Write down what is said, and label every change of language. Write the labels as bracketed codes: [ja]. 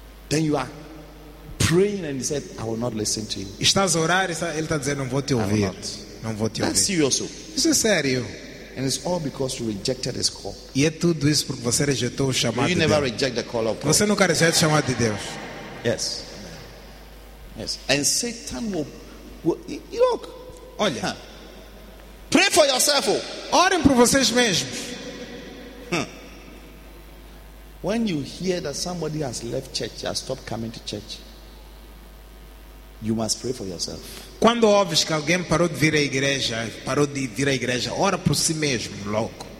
[en] Then you are praying and he said, I will not listen to you. [pt] Estás a orar e ele está a dizer, não vou te ouvir. Não vou te [en] That's [pt] ouvir. [en] Serious. [pt] Isso é sério. [en] And it's all because you rejected his call. [pt] E é tudo isso porque você rejeitou o chamado de Deus. [en] You never reject the call of God. [pt] Você nunca rejeita o chamado de Deus. [en] Yes. Yes. And Satan will look. [pt] Olha. Huh. [en] Pray for yourself. [pt] Orem por vocês mesmos. [en] When you hear that somebody has left church, has stopped coming to church, you must pray for yourself. [pt] Quando ouves que alguém parou de vir à igreja, parou de vir à igreja, ora por si mesmo, louco.